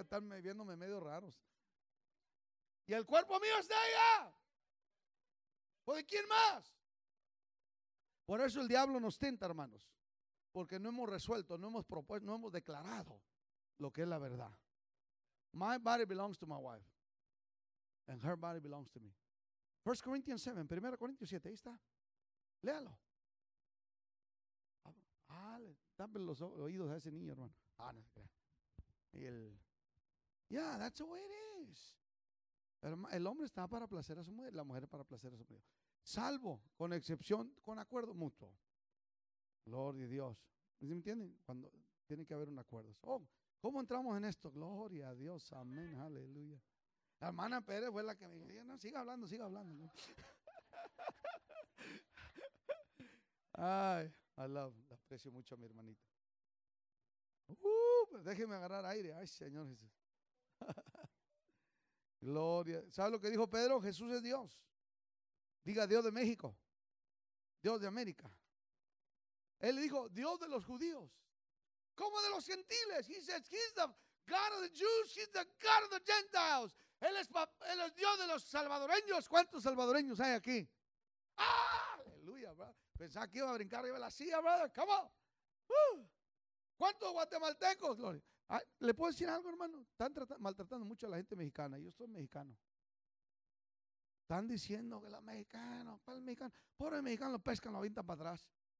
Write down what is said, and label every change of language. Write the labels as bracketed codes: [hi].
[es] Están viéndome medio raros. Y el cuerpo mío es de ella. ¿O de quién más? Por eso el diablo nos tenta, hermanos. Porque no hemos resuelto, no hemos propuesto, no hemos declarado lo que es la verdad. [en] My body belongs to my wife. And her body belongs to me. [es] 1 Corinthians 7, 1 Corintios 7, ahí está. Léalo. Ah, le tapen los oídos a ese niño, hermano. Ah, no. [en] Yeah, that's the way it is. [es] El hombre está para placer a su mujer, la mujer para placer a su marido. Salvo, con excepción, con acuerdo mutuo. Gloria a Dios. ¿Sí me entienden? Cuando tiene que haber un acuerdo. Oh, ¿cómo entramos en esto? Gloria a Dios. Amén. Aleluya. La hermana Pérez fue la que me dijo, no, siga hablando, siga hablando. Ay, la aprecio mucho a mi hermanita. Pues déjeme agarrar aire. Ay, Señor Jesús. Gloria. ¿Sabe lo que dijo Pedro? Jesús es Dios. Diga Dios de México. Dios de América. Él dijo, Dios de los judíos. ¿Cómo de los gentiles? [en] He says, he's the God of the Jews, he's the God of the Gentiles. [es] Él es Dios de los salvadoreños. ¿Cuántos salvadoreños hay aquí? ¡Ah! Aleluya, brother. Pensaba que iba a brincar arriba de la silla, brother. [en] Come on. [es] ¿Cuántos guatemaltecos, Gloria? ¿Le puedo decir algo, hermano? Están maltratando mucho a la gente mexicana. Yo soy mexicano. Están diciendo que los mexicanos, para el mexicano, pobre mexicano, lo pescan, lo avientan para atrás.